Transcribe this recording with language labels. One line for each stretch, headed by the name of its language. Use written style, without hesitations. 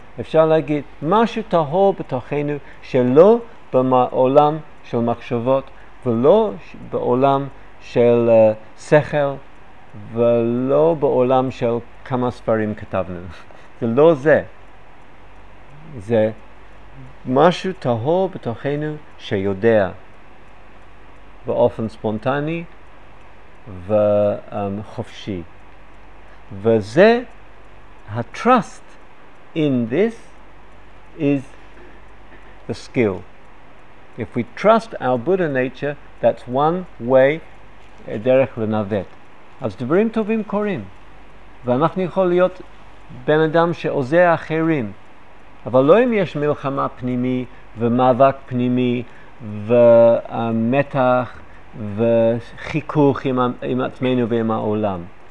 Hebrew: אפשר להגיד משהו טהור בתוכנו שלא בעולם של מחשבות ולא בעולם של שכל ולא בעולם של כמה ספרים כתבנו. זה לא זה. זה משהו טהור בתוכנו שיודע באופן ספונטני וחופשי. וזה, ה-
English: trust in this is the skill. If we trust our Buddha nature, that's one way,
Hebrew: דרך לנווט. אז דברים טובים קורים. ואנחנו יכול להיות בן אדם שעוזר אחרים. אבל לא אם יש מלחמה פנימי ומאבק פנימי ומתח וחיכוך עם עצמנו ועם העולם.